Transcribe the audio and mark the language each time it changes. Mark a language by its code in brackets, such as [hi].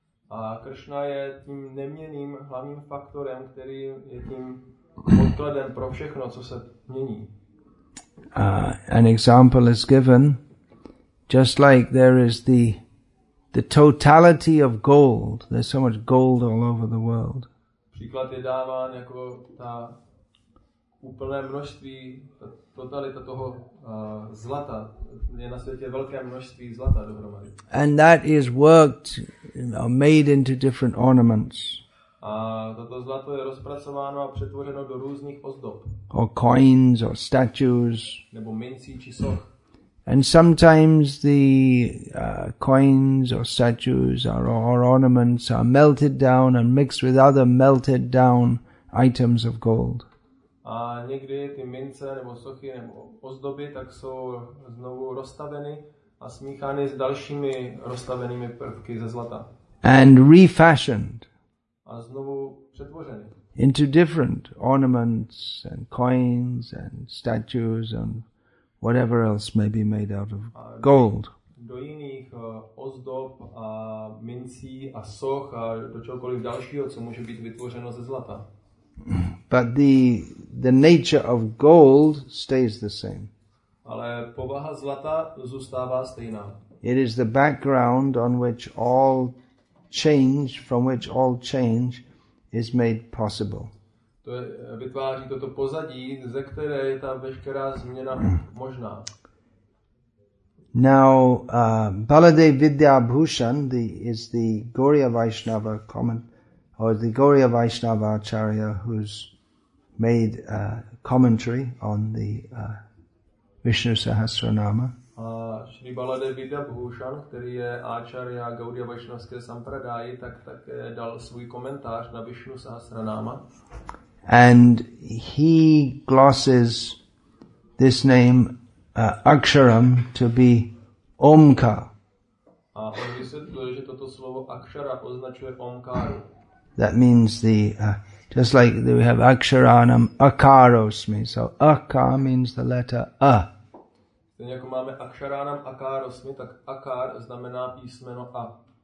[cs] A Kršna je tím neměným hlavním faktorem, který je tím podkladem pro všechno, co se mění. [en] An example is given, just like there is the totality of gold. There's so much gold all over the world. [cs] Příklad je dáván jako ta úplné množství, totalita toho zlata. Je na světě velké množství zlata dohromady. [en] And that is worked, made into different ornaments. [cs] A toto zlato je rozpracováno a přetvořeno do různých ozdob. [en] Or coins, or statues. [cs] Nebo mincí či soch. [en] And sometimes the coins or statues or ornaments are melted down and mixed with other melted down items of gold. [cs] A někdy ty mince nebo sochy nebo ozdoby tak jsou znovu rozstaveny a smíchány s dalšími rozstavenými prvky ze zlata. [en] And refashioned. [cs] A znovu přetvořeny. [en] Into different ornaments and coins and statues and whatever else may be made out of gold. [cs] Do jiných ozdob a mincí a soch a do čehokoliv dalšího, co může být vytvořeno ze zlata. [en] But the nature of gold stays the same. [cs] Ale povaha zlata zůstává stejná. [en] It is the background on which all change, from which all change is made possible. [cs] To je, vytváří toto pozadí, ze které je ta veškerá změna možná. [en] Now, Baladev Vidya Bhushan is the Gaurya Vaishnava comment, or the Gaurya Vaishnava Acharya who's made a commentary on the Vishnu Sahasranama. [cs] A Shri Baladev Vidya Bhushan, který je Acharya Gaurya Vaishnavské Sampradáji, tak také dal svůj komentář na Vishnu Sahasranama. [en] And he glosses this name Aksharam to be Omkar. [cs] A on vysvětluje, že toto slovo Akshara označuje Omkaru. [en] That means the just like we have [sa] Aksharanam Akarosmi. [en] So Akar means the letter A. [cs] Stejně jako máme [sa] Aksharanam Akarosmi, [cs] tak Akar znamená písmeno A.